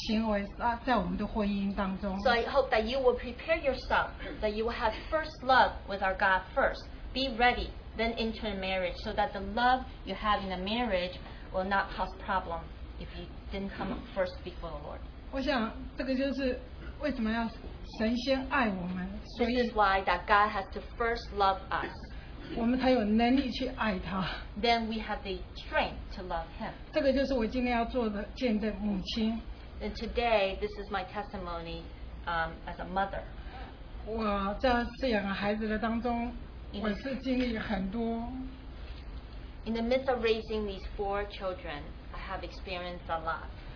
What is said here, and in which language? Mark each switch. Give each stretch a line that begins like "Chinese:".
Chinese: 不会有所存着一些不好的行为在我们伤害到行为在我们的婚姻当中。
English: So I hope that you will prepare yourself that you will have first love with our God first. Be ready then into a marriage so that the love you have in a marriage will not cause problem if you didn't come first before the Lord.
Chinese: 我想这个就是为什么要神先爱我们。
English: This is why that God has to first love us.
Chinese: 我们才有能力去爱他。
English: Then we have the strength to love him.
Chinese: 这个就是我今天要做的见证，母亲。
English: And today, this is my testimony as a mother.
Chinese: 我在饲养孩子的当中，
English: In the midst of raising these four children, I have experienced a lot.